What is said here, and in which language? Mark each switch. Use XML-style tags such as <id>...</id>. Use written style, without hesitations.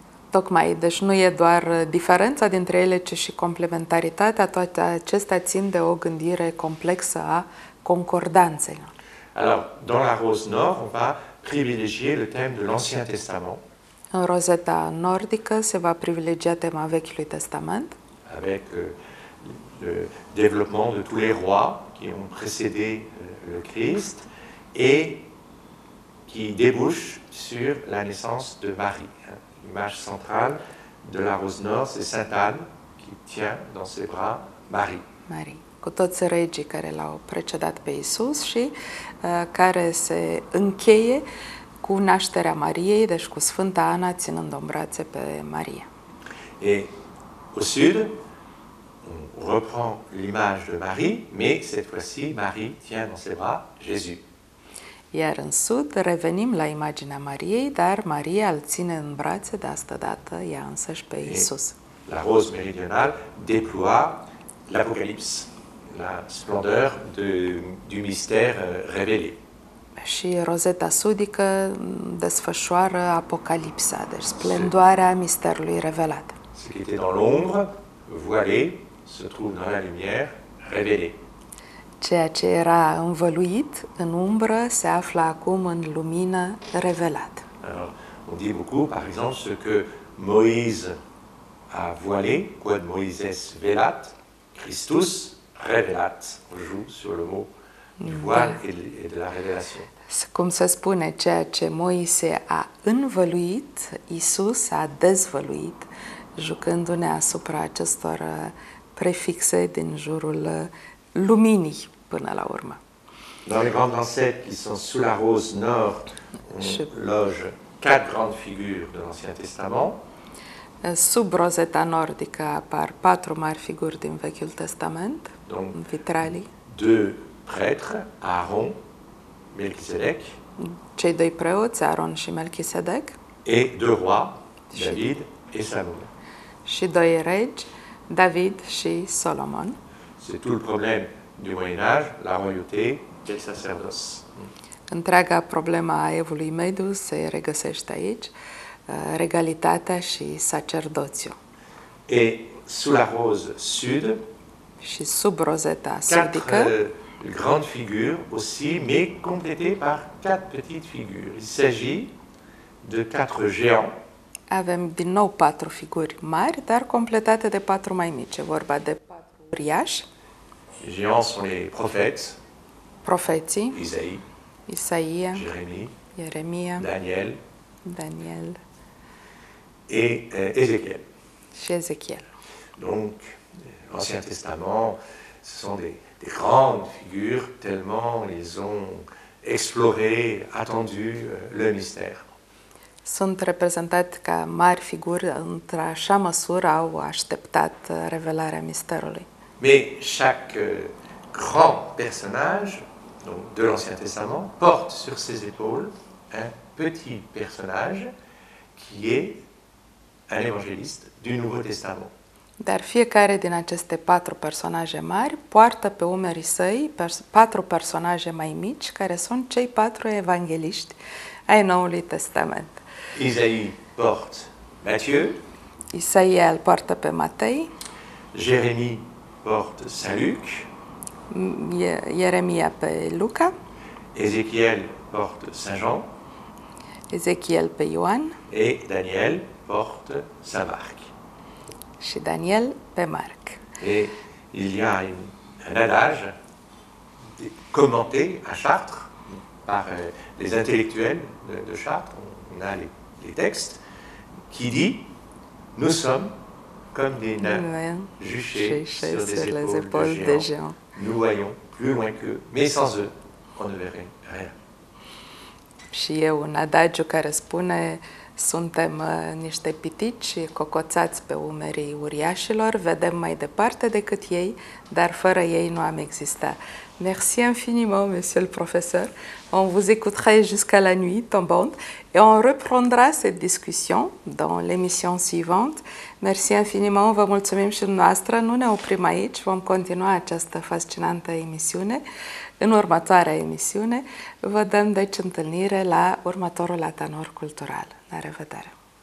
<ro>Tocmai, deci nu e doar diferența dintre ele, ci și complementaritatea, toate acestea țin de o gândire complexă a concordanțelor.</ro> <fr>Alors, dans la rose nord, on va privilégier le thème de l'Ancien Testament.</fr> <ro>În rozeta nordică se va privilegia tema Vechiului Testament.</ro> <fr>Avec le développement de tous les rois qui ont précédé le Christ et qui débouche sur la naissance de Marie. L'image centrale de la rose nord, c'est Sainte Anne qui tient dans ses bras Marie.</fr> <ro>Marie, cu toți regii care l-au precedat pe Iisus și care se încheie cu nașterea Mariei, deci cu Sfânta Ana ținând-o în brațe pe Maria.</ro> <fr>Et au sud, on reprend l'image de Marie, mais cette fois-ci Marie tient dans ses bras Jésus.</fr> <ro>Iar în sud revenim la imaginea Mariei, dar Maria îl ține în brațe de asta dată, ea însăși pe Iisus.</ro> <fr>La rose méridionale déploie l'apocalypse, la splendeur du mystère révélé.</fr> <ro>Și rozeta sudică desfășoară apocalipsa, deci splendoarea misterului revelat.</ro> <fr>Ce qui était dans l'ombre, voilé, se trouve dans la lumière, révélé.</fr> <ro>Ceea ce era învăluit în umbră se află acum în lumină revelat.</ro> <fr>Alors, on dit beaucoup, par exemple, ce que Moïse a voilé,</fr> <la>quod Moises velat, Christus revelat.</la> <fr>On joue sur le mot du voile et de la révélation.</fr> <ro>Cum se spune, ceea ce Moise a învăluit, Iisus a dezvăluit, jucându-ne asupra acestor prefixe din jurul luminii. Până la urmă.</ro> <fr>Dans les grandes ancêtres qui sont sous la rose nord, on loge quatre grandes figures de l'Ancien Testament.</fr> <ro>Sub rozeta nordică apar patru mari figuri din Vechiul Testament,</ro> <fr>donc,</fr> <ro>în vitralii.</ro> <fr>Deux prêtres, Aaron, Melchisedec.</fr> <ro>Cei doi preoți, Aaron și Melchisedec.</ro> <fr>Et deux rois, David et Salomon.</fr> <ro>Și doi regi, David și Solomon.</ro> <fr>C'est tout le problème du Moyen-Âge, la royauté des sacerdotes.</fr> <ro>Întreaga problema a evului mediu se regăsește aici, regalitatea și sacerdoțiu.</ro> <fr>Et sous la rose sud,</fr> <ro>și sub rozeta sudică,</ro> <fr>grandes figures aussi, mais complétées par quatre petites figures. Il s'agit de quatre géants,</fr> <ro>Avem din nou patru figuri mari, dar completate de patru mai mici. Vorba de patru uriași.</ro> <fr>Géants sont les prophètes.</fr> <ro>Profeții.</ro> <fr>Isaïe.</fr> <ro>Ieremia. Daniel.</ro> <fr>Et Ézéchiel.</fr> <ro>Și Ézéchiel.</ro> <fr>Donc, l'Ancien Testament, ce sont des grandes figures, tellement ils ont exploré, attendu le mystère.</fr> <ro>Sunt reprezentate ca mari figuri, într-așa măsură au așteptat revelarea misterului.</ro> <fr>Mais chaque grand personnage donc de l'Ancien Testament porte sur ses épaules un petit personnage qui est un évangéliste du Nouveau Testament.</fr> <ro>Dar fiecare din aceste patru personaje mari poartă pe umerii săi patru personaje mai mici, care sunt cei patru evangeliști ai Noului Testament.</ro> <fr>Isaïe porte Matthieu.</fr> <ro>Isaïe îl poartă pe Matei.</ro> <fr>Jérémie porte Saint-Luc.</fr> <ro>Ieremia pe Luca.</ro> <fr>Ézéchiel porte Saint-Jean.</fr> <ro>Ézéchiel pe Ioan.</ro> <fr>Et Daniel porte Saint-Marc.</fr> <ro>Și Daniel pe Marc.</ro> <fr>Et il y a un adage commenté à Chartres par les intellectuels de Chartres, on a les textes, qui dit « Nous sommes comme des nains juchés sur les épaules des géants. Nous voyons plus loin qu'eux, mais sans eux, on ne verrait rien. »</fr> <ro>Și e un adagiu care spune: suntem niște pitici cocoțați pe umerii uriașilor, vedem mai departe decât ei, dar fără ei nu am exista.</ro> <fr>Merci infiniment, monsieur le professeur. On vous écoutera jusqu'à la nuit tombante et on reprendra cette discussion dans l'émission suivante. Merci infiniment,</fr> <ro>vă mulțumim și noastră. Nu ne oprim aici, vom continua această fascinantă emisiune. În următoarea emisiune vă dăm deci întâlnire la următorul Atanor Cultural. La revedere!</ro>